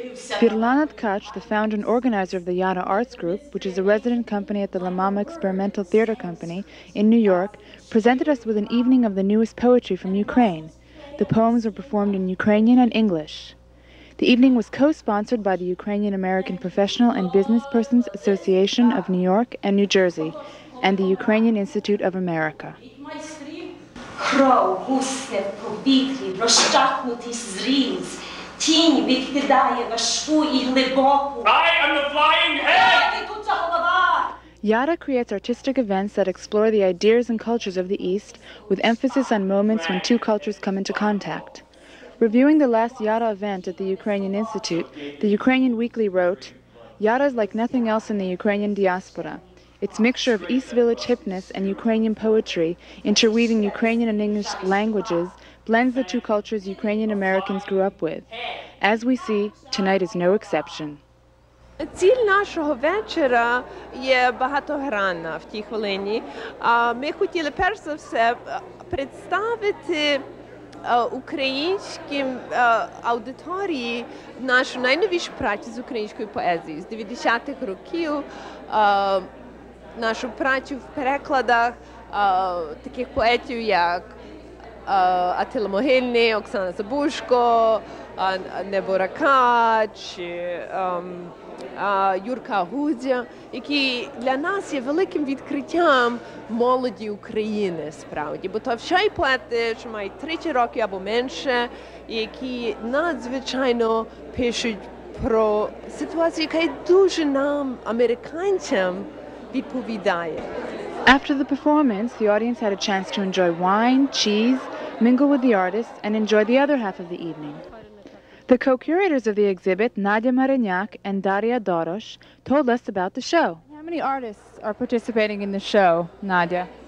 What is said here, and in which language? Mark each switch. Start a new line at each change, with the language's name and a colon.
English: Svetlana Tkach, the founder and organizer of the Yada Arts Group, which is a resident company at the La Mama Experimental Theatre Company in New York, presented us with an evening of the newest poetry from Ukraine. The poems were performed in Ukrainian and English. The evening was co-sponsored by the Ukrainian American Professional and Business Persons Association of New York and New Jersey and the Ukrainian Institute of America.
Ukrainian: Кров густе в повітрі, розчахнутий зріз, тінь відкидає важку і глибоку.
English: I am the flying head! YADA creates artistic events that explore the ideas and cultures of the East, with emphasis on moments when two cultures come into contact. Reviewing the last YADA event at the Ukrainian Institute, the Ukrainian Weekly wrote, YADA is like nothing else in the Ukrainian diaspora. Its mixture of East Village hipness and Ukrainian poetry, interweaving Ukrainian and English languages, blends the two cultures Ukrainian Americans grew up with. As we see, tonight is no exception.
Ukrainian: Ціль нашого вечора є багатогранна в тій хвилині. Ми хотіли перш за все представити українським аудиторії нашу найновішу працю з української поезії з 90-х років, нашу працю в перекладах таких поетів, як Атила Могильний, Оксана Забужко, Небо Ракач, Юрка Гудзя, які для нас є великим відкриттям молоді України справді. Бо то вся і поети, що мають 30 років або менше, які надзвичайно пишуть про ситуацію, яка дуже нам, американцям, відповідає.
English: After the performance, the audience had a chance to enjoy wine, cheese, mingle with the artists, and enjoy the other half of the evening. The co-curators of the exhibit, Nadia Mareniak and Daria Doroš, told us about the show. How many artists are participating in the show, Nadia?